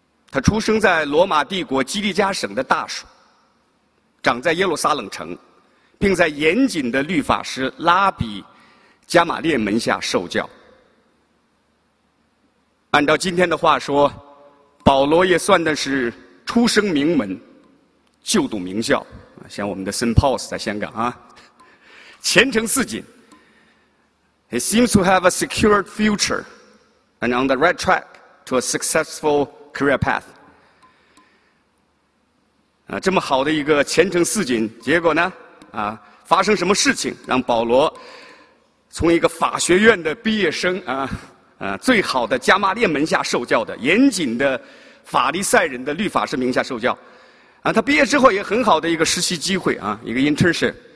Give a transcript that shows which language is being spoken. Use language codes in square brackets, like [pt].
[zh] 他出生在罗马帝国基利加省的大属，长在耶路撒冷城，并在严谨的律法师拉比加马列门下受教。按照今天的话说，保罗也算的是出生名门，就读名校，像我们的 St. Paul's 在香港啊，前程似锦。 [en] He seems to have a secured future and on the right track to a successful career path。 [zh] 这么好的一个前程似锦，结果呢发生什么事情让保罗从一个法学院的毕业生最好的加马列门下受教的严谨的法利赛人的律法师名下受教他毕业之后也很好的一个实习机会一个 internship。